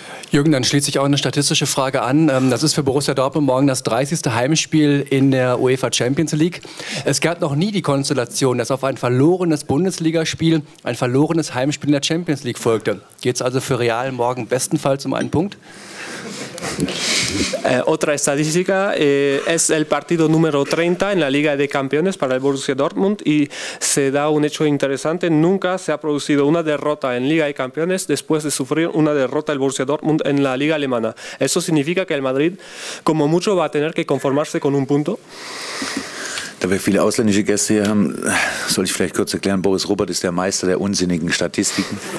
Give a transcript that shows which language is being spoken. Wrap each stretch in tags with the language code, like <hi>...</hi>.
<de>Jürgen, dann schließt sich auch eine statistische Frage an. Das ist für Borussia Dortmund morgen das 30. Heimspiel in der UEFA Champions League. Es gab noch nie die Konstellation, dass auf ein verlorenes Bundesligaspiel ein verlorenes Heimspiel in der Champions League folgte. Geht es also für Real morgen bestenfalls um einen Punkt?</de> <es>Otra estadística es el partido número 30 en la Liga de Campeones para el Borussia Dortmund y se da un hecho interesante. Nunca se ha producido una derrota en Liga de Campeones después de sufrir una derrota el Borussia Dortmund en la Liga Alemana. ¿Eso significa que el Madrid, como mucho, va a tener que conformarse con un punto?</es> <de>Da wir viele ausländische Gäste hier haben, soll ich vielleicht kurz erklären, Boris Rupert ist der Meister der unsinnigen Statistiken.</de>